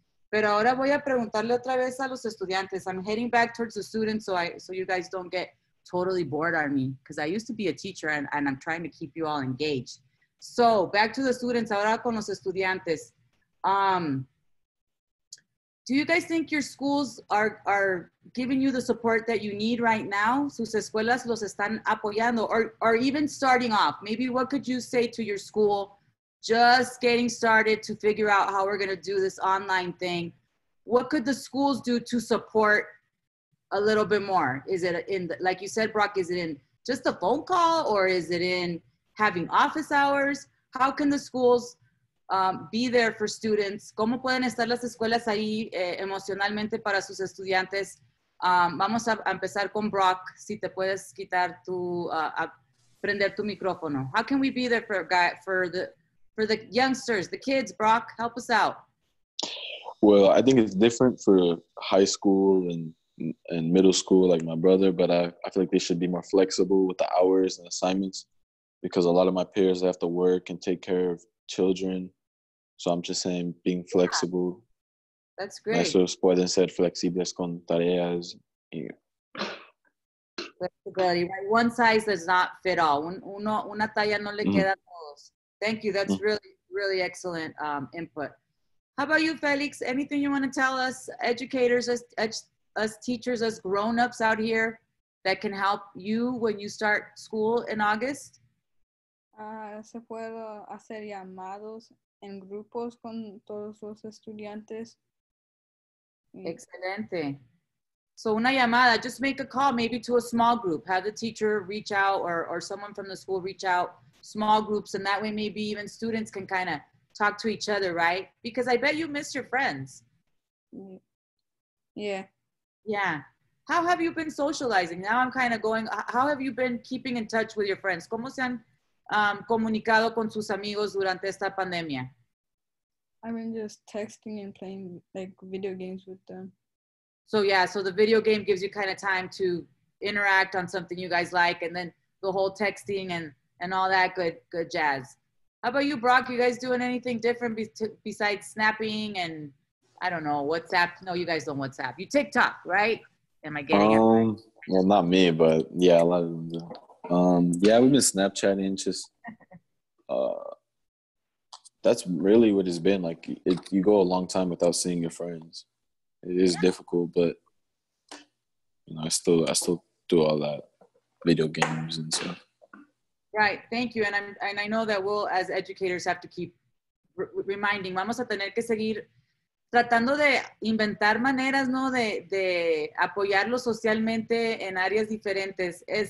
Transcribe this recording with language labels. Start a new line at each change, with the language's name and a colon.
Spanish: Pero ahora voy a preguntarle otra vez a los estudiantes.
English: I'm heading back towards the students so you guys don't get totally bored on me because I used to be a teacher and I'm trying to keep you all engaged. So, back to the students,
Spanish: ahora con los estudiantes.
English: Do you guys think your schools are giving you the support that you need right now?
Spanish: Sus escuelas los están apoyando,
English: or even starting off? Maybe what could you say to your school just getting started to figure out how we're going to do this online thing? What could the schools do to support a little bit more? Is it in, the, like you said, Brock, is it in just a phone call, or is it in having office hours? How can the schools be there for students?
Spanish: ¿Cómo pueden estar las escuelas ahí emocionalmente para sus estudiantes? Vamos a empezar con Brock, si te puedes quitar tu, prender tu micrófono.
English: How can we be there for the youngsters, the kids, Brock, help us out. Well, I think it's different for high school and middle school, like my brother, but I feel like they should be more flexible with the hours and assignments, because a lot of my peers have to work and take care of children. So I'm just saying, being flexible. Yeah. That's great.
Spanish: Maestro Spoiden said, flexibles con tareas.
English: Flexibility, right? One size does not fit all.
Spanish: Una talla no le queda a todos.
English: Thank you. That's really, really excellent input. How about you, Felix? Anything you want to tell us, educators, us teachers, us grown-ups out here that can help you when you start school in August?
Spanish: Se puedo hacer llamados en grupos con todos los estudiantes. Excelente.
English: So
Spanish: una llamada,
English: just make a call maybe to a small group. Have the teacher reach out or someone from the school reach out, small groups, and that way maybe even students can kind of talk to each other, right? Because I bet you miss your friends. Yeah. Yeah. How have you been socializing? Now I'm kind of going, how have you been keeping in touch with your friends?
Spanish: ¿Cómo se han comunicado con sus amigos durante esta pandemia?
English: I've been just texting and playing like video games with them. So yeah, so the video game gives you kind of time to interact on something you guys like, and then the whole texting and all that good jazz. How about you, Brock? You guys doing anything different besides snapping and, I don't know, WhatsApp? No, you guys don't WhatsApp. You TikTok, right? Am I getting it right? Well, not me, but yeah, a lot of them do. Yeah, we've been Snapchatting, just, that's really what it's been. Like, you go a long time without seeing your friends. It is difficult, but, you know, I still do all that, video games and stuff. Right, thank you. And I know that we'll, as educators, have to keep reminding.
Spanish: Vamos a tener que seguir tratando de inventar maneras, ¿no? De apoyarlo socialmente en áreas diferentes.